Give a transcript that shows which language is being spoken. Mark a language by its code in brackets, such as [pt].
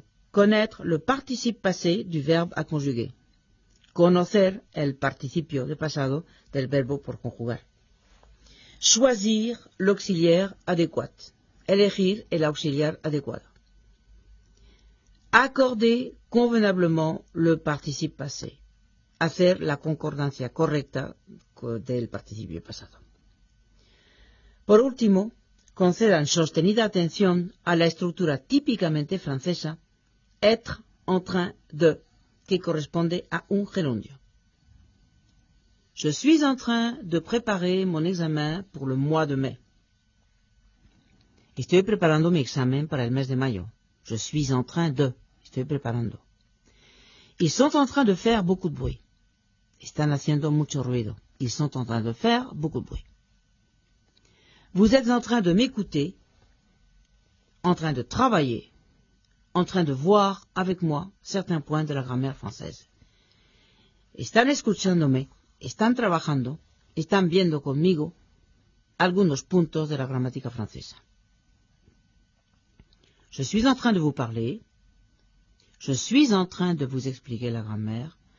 [fr] Connaître le participe passé du verbe à conjuguer. [es] Conocer el participio de pasado del verbo por conjugar. [fr] Choisir l'auxiliaire adéquat. [es] Elegir el auxiliar adecuado. [fr] Accorder convenablement le participe passé. [es] Hacer la concordancia correcta del participio pasado. Por último, concedan sostenida atención a la estructura típicamente francesa être en train de, que corresponde a un gerundio. [fr] Je suis en train de préparer mon examen pour le mois de mai. [es] Estoy preparando mi examen para el mes de mayo. [fr] Je suis en train de. [es] Estoy preparando. [fr] Ils sont en train de faire beaucoup de bruit. [es] Están haciendo mucho ruido. [fr] Ils sont en train de faire beaucoup de bruit. Vous êtes en train de m'écouter, en train de travailler, en train de voir avec moi certains points de la grammaire française. [es] Están escuchándome, están trabajando, están viendo conmigo algunos puntos de la gramática francesa. [fr] Je suis en train de vous parler. Je suis en train de vous expliquer la grammaire.